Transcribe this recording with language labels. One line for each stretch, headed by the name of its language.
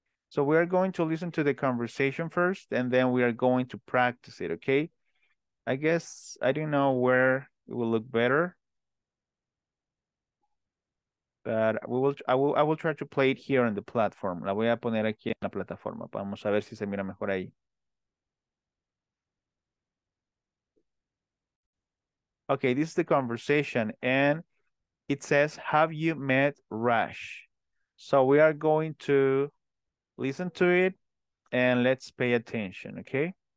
English: So we are going to listen to the conversation first, and then we are going to practice it, okay? I guess I don't know where it will look better. But I will try to play it here on the platform.
Spanish: La voy a poner aquí en la plataforma. Vamos a ver si se mira mejor ahí.
English: Okay, this is the conversation, and it says, "Have you met Rash?" So we are going to listen to it, and let's pay attention, okay?